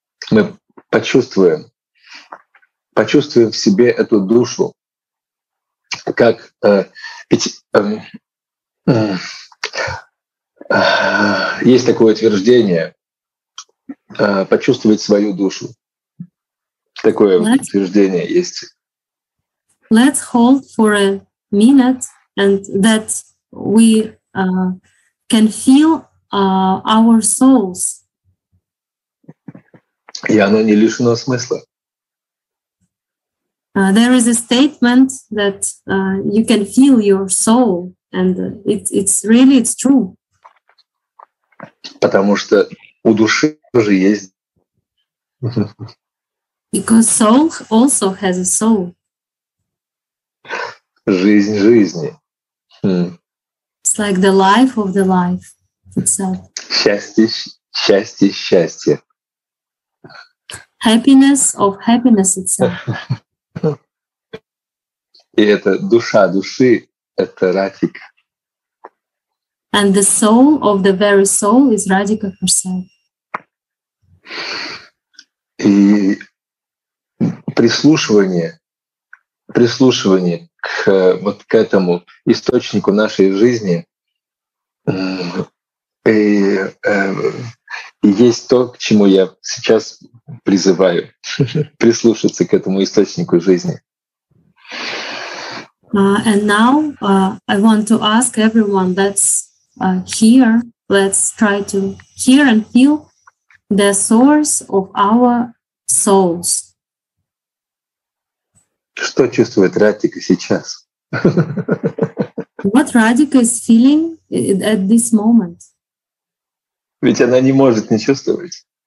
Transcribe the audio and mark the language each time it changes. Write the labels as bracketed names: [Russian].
[Russian] Мы почувствуем в себе эту душу, как есть такое утверждение, почувствовать свою душу. Такое утверждение есть. [English] Let's hold for a minute and that we can feel our souls. [Russian] И оно не лишено смысла. [English] There is a statement that you can feel your soul, and it's really true. [Russian] Потому что у души тоже есть. [English] Because soul also has a soul. [Russian] Жизнь жизни. [English] It's like the life of the life itself. [Russian] Счастье. [English] Happiness of happiness itself. [Russian] И это душа души, это Радхика. [English] And the soul of the very soul is Radhika herself. [Russian] И прислушивание к вот к этому источнику нашей жизни и есть то, к чему я сейчас призываю прислушаться к этому источнику жизни. [English] And now I want to ask everyone that's here, let's try to hear and feel the source of our souls. [Russian] Что чувствует Радхика сейчас? [English] What Radhika is feeling at this moment? [Russian] Ведь она не может не чувствовать.